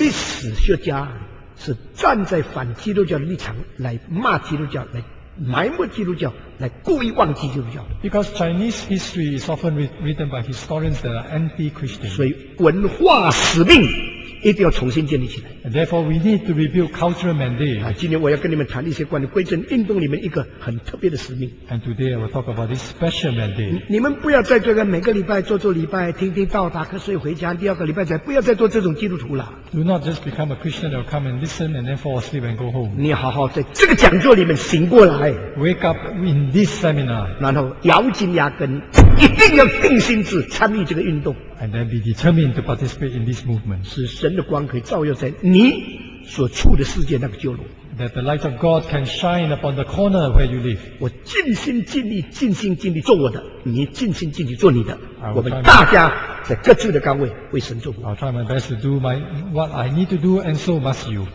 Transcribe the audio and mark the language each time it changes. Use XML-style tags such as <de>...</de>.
<zh>历史学家是站在反基督教的立场来骂基督教，来埋没基督教，来故意忘记基督教。</zh> <en>Because Chinese history is often written by historians that are anti-Christian.</en> <zh>所以文化使命一定要重新建立起来。</zh> <en>And therefore, we need to rebuild cultural mandate.</en> <zh>今天我要跟你们谈一些关于归正运动里面一个很特别的使命。</zh> <en>And today, I will talk about this special mandate.</en> <zh>你们不要再这个每个礼拜做做礼拜，听听道，打瞌睡回家，第二个礼拜再不要再做这种基督徒了。</zh> <en>Do not just become a Christian or come and listen and then fall asleep and go home.</en> <zh>你好好在这个讲座里面醒过来。</zh> <en>Wake up in this seminar.</en> <zh>然后咬紧牙根。一定要定心智参与这个运动。</zh> <en>And then be determined to participate in this movement.</en> <zh>使神的光可以照耀在你所处的世界那个角落。</zh> <en>That the light of God can shine upon the corner where you live.</en> <zh>我尽心尽力，尽心尽力做我的，你尽心尽力做你的。我们大家在各自的岗位为神做。</zh> <en>I'll try my best to do my what I need to do, and so must you.</en>